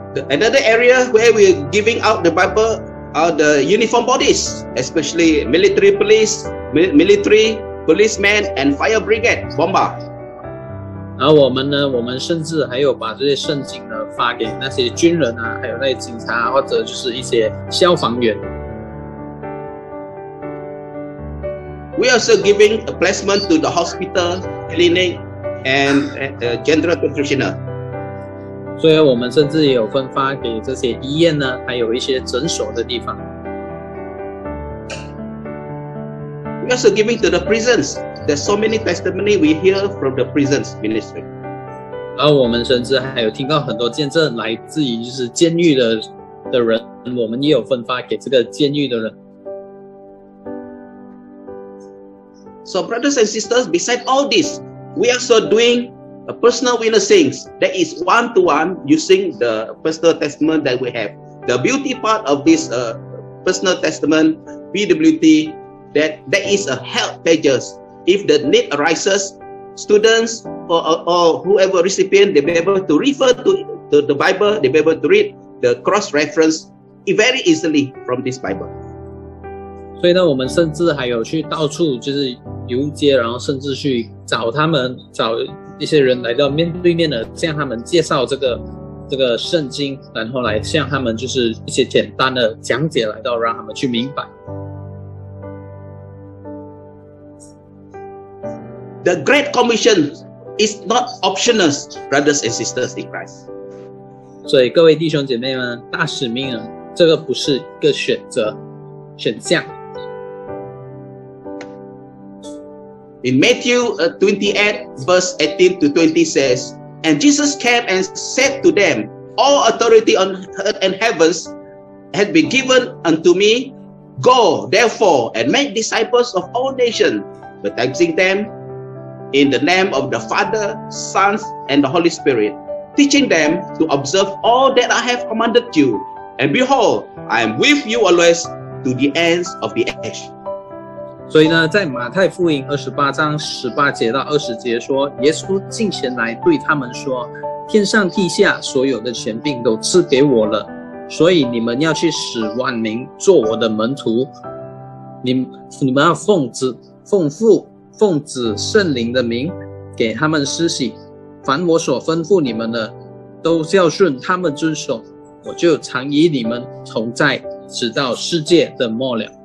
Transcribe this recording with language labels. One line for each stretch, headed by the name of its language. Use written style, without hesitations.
English: Another area where we're giving out the Bible are the uniform bodies, especially military police, military policemen, and fire brigade, bomber.
Chinese: 然后我们呢，我们甚至还有把这些圣经呢发给那些军人啊，还有那些警察或者就是一些消防员。
English: We also giving a placement to the hospital, clinic, and general practitioner.
Chinese: 所以我们甚至也有分发给这些医院呢，还有一些诊所的地方。
English: We also giving to the prisons. There's so many testimony we hear from the prisons ministry.
Chinese: 然后我们甚至还有听到很多见证来自于就是监狱的人，我们也有分发给这个监狱的人。
English: So brothers and sisters, besides all this, we are also doing a personal witnessing. That is one-to-one using the personal testament that we have. The beauty part of this personal testament, PWT, that is a help pages. If the need arises, students or whoever recipient, they'll be able to refer to the Bible, they'll be able to read the cross-reference very easily from this Bible.
Chinese: 所以呢，我们甚至还有去到处就是游街，然后甚至去找他们，找一些人来到面对面的向他们介绍这个圣经，然后来向他们就是一些简单的讲解，来到让他们去明白。
English: The Great Commission is not optional, brothers and sisters in Christ.
Chinese: 所以各位弟兄姐妹们，大使命啊，这个不是一个选择选项。
English: In Matthew 28, verse 18 to 20 says, And Jesus came and said to them, All authority on earth and heavens has been given unto me. Go, therefore, and make disciples of all nations, baptizing them in the name of the Father, Son, and the Holy Spirit, teaching them to observe all that I have commanded you. And behold, I am with you always to the ends of the age.
Chinese: 所以呢，在马太福音28:18-20说，耶稣近前来对他们说，天上地下所有的权柄都赐给我了，所以你们要去使万民做我的门徒，你们要奉父圣灵的名给他们施洗，凡我所吩咐你们的都孝顺他们遵守，我就常与你们同在，直到世界的末了。